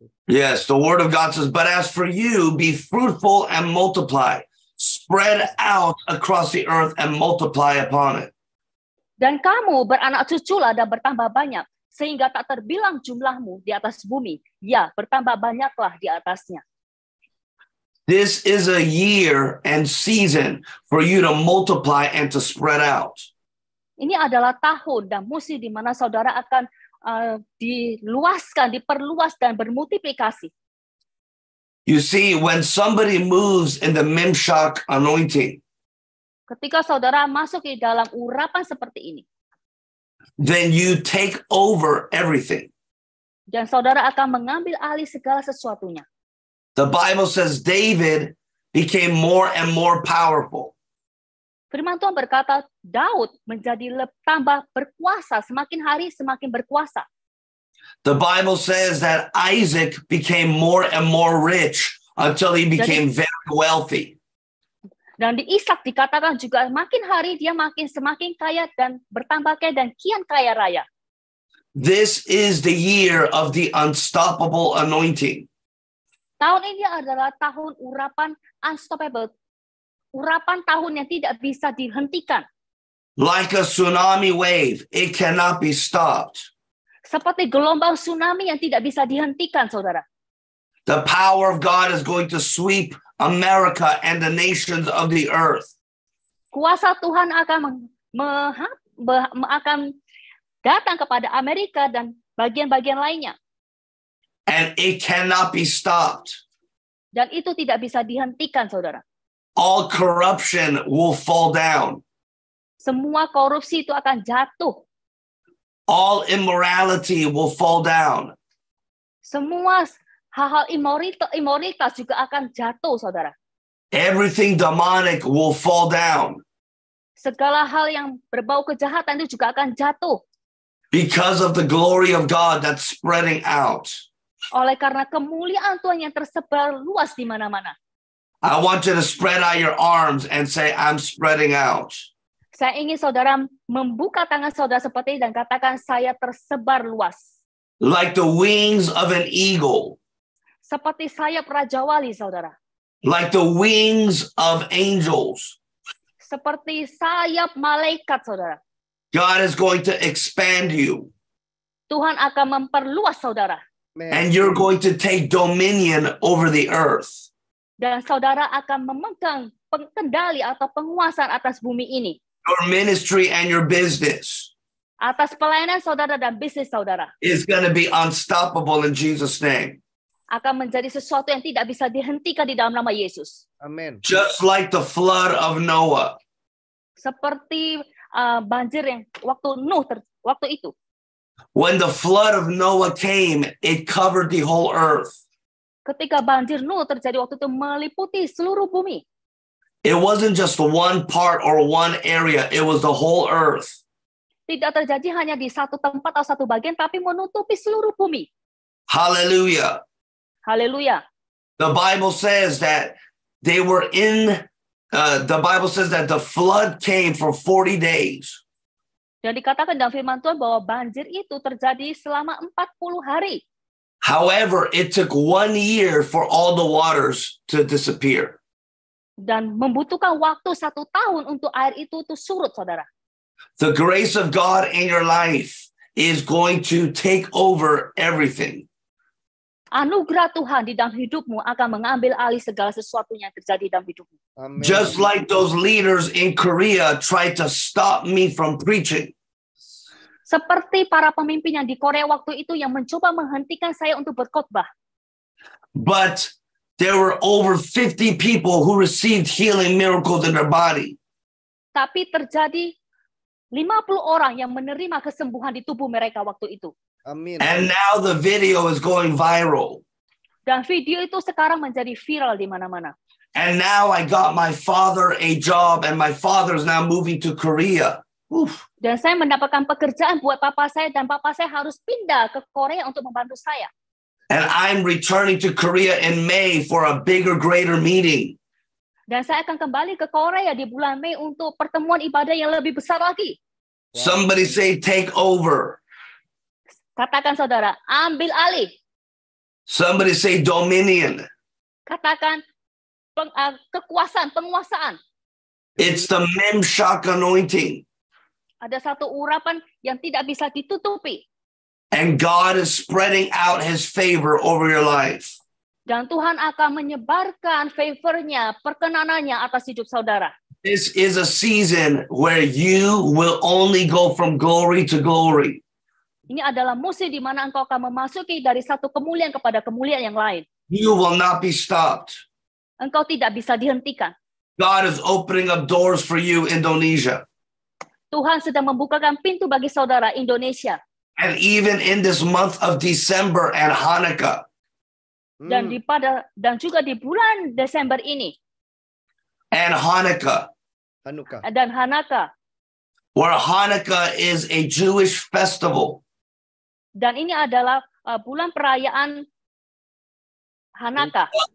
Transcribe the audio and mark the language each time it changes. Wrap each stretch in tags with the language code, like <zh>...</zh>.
<en>Yes, the word of God says, but as for you, be fruitful and multiply, spread out across the earth and multiply upon it.</en> <id>Dan kamu beranak cuculah dan bertambah banyak, sehingga tak terbilang jumlahmu di atas bumi. Ya, bertambah banyaklah di atasnya.</id> <en>This is a year and season for you to multiply and to spread out.</en> <id>Ini adalah tahun dan musim di mana saudara akan diluaskan, diperluas dan bermultiplikasi.</id> <en>You see, when somebody moves in the mimshak anointing,</en> <id>ketika saudara masuk di dalam urapan seperti ini,</id> <en>then you take over everything.</en> <id>Dan saudara akan mengambil alih segala sesuatunya.</id> <en>The Bible says David became more and more powerful.</en> <id>Firman Tuhan berkata, Daud menjadi tambah berkuasa, semakin hari semakin berkuasa.</id> <en>The Bible says that Isaac became more and more rich until he became very wealthy.</en> <id>Dan di Ishak dikatakan juga makin hari dia makin semakin kaya dan bertambah kaya dan kian kaya raya.</id> <en>This is the year of the unstoppable anointing.</en> <id>Tahun ini adalah tahun urapan unstoppable. Urapan tahun yang tidak bisa dihentikan.</id> <en>Like a tsunami wave, it cannot be stopped.</en> <id>Seperti gelombang tsunami yang tidak bisa dihentikan, saudara.</id> <en>The power of God is going to sweep America and the nations of the earth.</en> <id>Kuasa Tuhan akan akan datang kepada Amerika dan bagian-bagian lainnya.</id> <en>And it cannot be stopped.</en> <id>Dan itu tidak bisa dihentikan, saudara.</id> <en>All corruption will fall down.</en> <id>Semua korupsi itu akan jatuh.</id> <en>All immorality will fall down.</en> <id>Semua hal-hal imoralitas juga akan jatuh, saudara.</id> <en>Everything demonic will fall down.</en> <id>Segala hal yang berbau kejahatan itu juga akan jatuh.</id> <en>Because of the glory of God that's spreading out.</en> <id>Oleh karena kemuliaan Tuhan yang tersebar luas di mana-mana.</id> <en>I want you to spread out your arms and say, I'm spreading out.</en> <id>Saya ingin saudara membuka tangan saudara seperti ini dan katakan, saya tersebar luas.</id> <en>Like the wings of an eagle.</en> <id>Seperti sayap rajawali, saudara.</id> <en>Like the wings of angels.</en> <id>Seperti sayap malaikat, saudara.</id> <en>God is going to expand you.</en> <id>Tuhan akan memperluas saudara.</id> <en>And you're going to take dominion over the earth.</en> <id>Dan saudara akan memegang kendali atau penguasaan atas bumi ini.</id> <en>Your ministry and your business.</en> <id>Atas pelayanan saudara dan bisnis saudara.</id> <en>Is going to be unstoppable in Jesus' name.</en> <id>Akan menjadi sesuatu yang tidak bisa dihentikan di dalam nama Yesus.</id> <en>Amen. Just like the flood of Noah.</en> <id>Seperti banjir yang waktu Nuh waktu itu.</id> <en>When the flood of Noah came, it covered the whole earth.</en> <id>Ketika banjir Nuh terjadi waktu itu meliputi seluruh bumi.</id> <en>It wasn't just one part or one area, it was the whole earth.</en> <id>Tidak terjadi hanya di satu tempat atau satu bagian, tapi menutupi seluruh bumi. Hallelujah. Hallelujah.</id> <en>The Bible says that they were in the Bible says that the flood came for 40 days.</en> <id>Dan dikatakan dalam firman Tuhan bahwa banjir itu terjadi selama 40 hari.</id> <en>However, it took 1 year for all the waters to disappear.</en> <id>Dan membutuhkan waktu 1 tahun untuk air itu tuh surut, saudara.</id> <en>The grace of God in your life is going to take over everything.</en> <id>Anugerah Tuhan di dalam hidupmu akan mengambil alih segala sesuatu yang terjadi dalam hidupmu.</id> <en>Amen. Just like those leaders in Korea tried to stop me from preaching.</en> <id>Seperti para pemimpin yang di Korea waktu itu yang mencoba menghentikan saya untuk berkhotbah.</id> <en>But there were over 50 people who received healing miracles in their body.</en> <id>Tapi terjadi 50 orang yang menerima kesembuhan di tubuh mereka waktu itu.</id> <en>Amen. And now the video is going viral.</en> <id>Dan video itu sekarang menjadi viral di mana-mana.</id> <en>And now I got my father a job, and my father is now moving to Korea.</en> <id>Oof. Dan saya mendapatkan pekerjaan buat papa saya, dan papa saya harus pindah ke Korea untuk membantu saya.</id> <en>And I'm returning to Korea in May for a bigger, greater meeting.</en> <id>Dan saya akan kembali ke Korea di bulan Mei untuk pertemuan ibadah yang lebih besar lagi.</id> <en>Somebody say take over.</en> <id>Katakan saudara, ambil alih.</id> <en>Somebody say dominion.</en> <id>Katakan kekuasaan, penguasaan.</id> <en>It's the Memshak anointing.</en> <id>Ada satu urapan yang tidak bisa ditutupi.</id> <en>And God is spreading out his favor over your life.</en> <id>Dan Tuhan akan menyebarkan favor-Nya, perkenanannya atas hidup saudara.</id> <en>This is a season where you will only go from glory to glory.</en> <id>Ini adalah musim di mana engkau akan memasuki dari satu kemuliaan kepada kemuliaan yang lain.</id> <en>You will not be stopped.</en> <id>Engkau tidak bisa dihentikan.</id> <en>God is opening up doors for you, Indonesia.</en> <id>Tuhan sedang membukakan pintu bagi saudara Indonesia.</id> <en>And even in this month of December and Hanukkah.</en> <id>Dan dan juga di bulan Desember ini.</id> <en>And Hanukkah. Hanukkah.</en> <id>Dan Hanukkah.</id> <en>Where Hanukkah is a Jewish festival.</en> <id>Dan ini adalah bulan perayaan Hanukkah.</id>